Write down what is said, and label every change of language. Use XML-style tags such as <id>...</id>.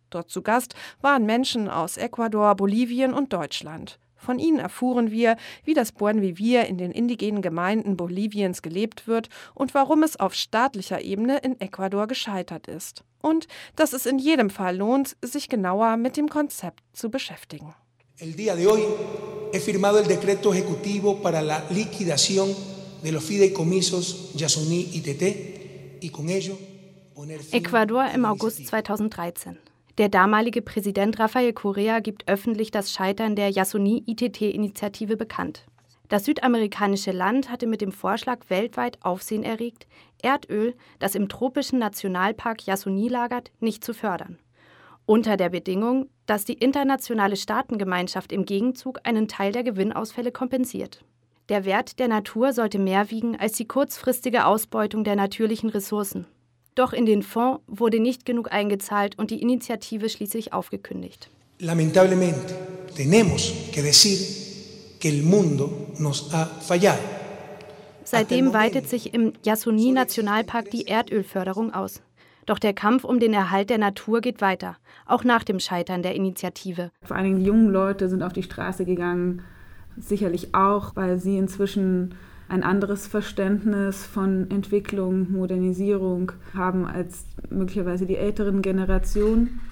<de>Dort zu Gast waren Menschen aus Ecuador, Bolivien und Deutschland. Von ihnen erfuhren wir, wie das Buen Vivir in den indigenen Gemeinden Boliviens gelebt wird und warum es auf staatlicher Ebene in Ecuador gescheitert ist. Und dass es in jedem Fall lohnt, sich genauer mit dem Konzept zu beschäftigen.</de> <es>El día de hoy he firmado el decreto ejecutivo para la liquidación de los fideicomisos Yasuní y Tt y con ello poner fin.</es> <de>Ecuador im August 2013. Der damalige Präsident Rafael Correa gibt öffentlich das Scheitern der Yasuní-ITT-Initiative bekannt. Das südamerikanische Land hatte mit dem Vorschlag weltweit Aufsehen erregt, Erdöl, das im tropischen Nationalpark Yasuní lagert, nicht zu fördern. Unter der Bedingung, dass die internationale Staatengemeinschaft im Gegenzug einen Teil der Gewinnausfälle kompensiert. Der Wert der Natur sollte mehr wiegen als die kurzfristige Ausbeutung der natürlichen Ressourcen. Doch in den Fonds wurde nicht genug eingezahlt und die Initiative schließlich aufgekündigt.</de> <es>Lamentablemente tenemos que decir que el mundo nos ha fallado.</es> <de>Seitdem weitet sich im Yasuní-Nationalpark die Erdölförderung aus. Doch der Kampf um den Erhalt der Natur geht weiter, auch nach dem Scheitern der Initiative. Vor allen Dingen die jungen Leute sind auf die Straße gegangen, sicherlich auch, weil sie inzwischen ein anderes Verständnis von Entwicklung, Modernisierung haben als möglicherweise die älteren Generationen.</de>